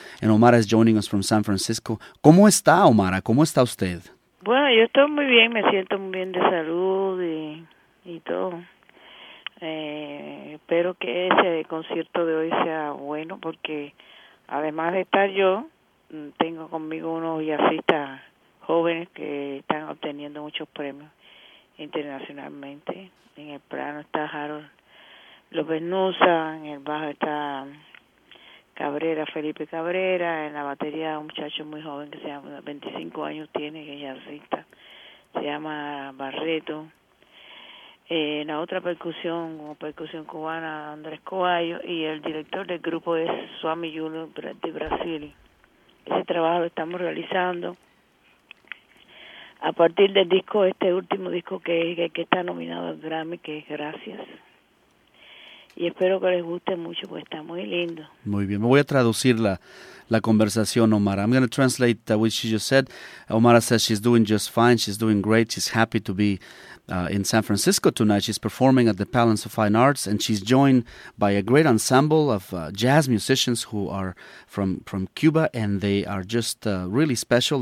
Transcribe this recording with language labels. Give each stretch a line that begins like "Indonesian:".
English: And Omara is joining us from San Francisco.
Spanish: ¿Cómo está, Omara? ¿Cómo está usted? Bueno, yo estoy muy bien, me siento muy bien de salud y todo. Espero que ese concierto de hoy sea bueno porque además de estar yo, tengo conmigo unos jazzistas jóvenes que están obteniendo muchos premios internacionalmente. En el plano está Harold López Nusa, en el bajo está Cabrera, Felipe Cabrera, en la batería un muchacho muy joven que se llama, 25 años tiene, que es jazzista, se llama Barreto. En la otra percusión, como percusión cubana, Andrés Coballo, y el director del grupo es Swami Juno de Brasil. Ese trabajo lo estamos realizando a partir del disco, este último disco que está nominado al Grammy, que es Gracias. Y espero que les guste mucho, porque está muy lindo. Muy bien. Me voy a traducir la conversación, Omara.
English: I'm going to translate what she just said. Omara says she's doing just fine. She's doing great. She's happy to be in San Francisco tonight. She's performing at the Palace of Fine Arts, and she's joined by a great ensemble of jazz musicians who are from Cuba, and they are just really special.